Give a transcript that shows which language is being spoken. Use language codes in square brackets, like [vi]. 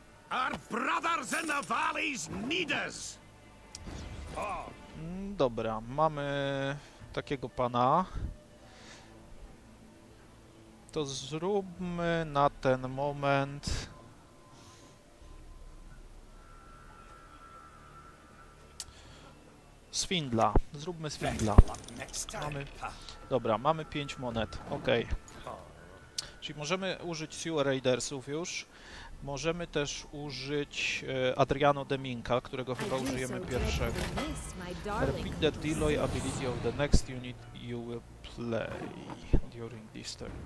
[en] Our brothers in the valleys need us. [pl] Dobra, mamy takiego pana. To zróbmy na ten moment... Swindla. Zróbmy Swindla. Mamy... Dobra, mamy 5 monet. Okej. Okay. Czyli możemy użyć Sewer Raidersów już. Możemy też użyć Adriano Deminka, którego chyba użyjemy pierwszego. [en] Repeat the Deloy ability of the next unit you will play during this turn.